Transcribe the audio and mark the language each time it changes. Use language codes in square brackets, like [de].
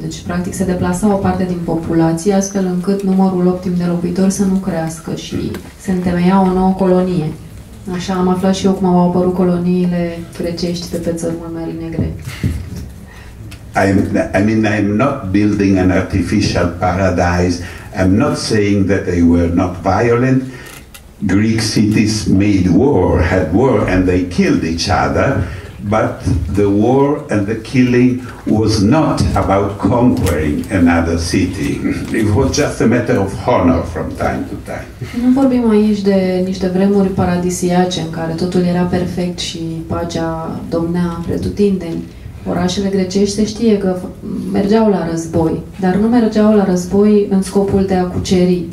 [ro] Deci, practic, se deplasa o parte din populație astfel încât numărul optim de locuitori să nu crească și se întemeia o nouă colonie. Așa am aflat și eu cum au apărut coloniile grecești de pe țărmul Mării Negre. [en] I'm not building an artificial paradise. I'm not saying that they were not violent. Greek cities made war, had war, and they killed each other, but the war and the killing was not about conquering another city. It was just a matter of honor from time to time. [ro] Nu vorbim aici de niște vremuri paradisiace în care totul era perfect și pacea domnea pretutindeni. Orașele grecești se știe că mergeau la război, dar nu mergeau la război în scopul de a cuceri.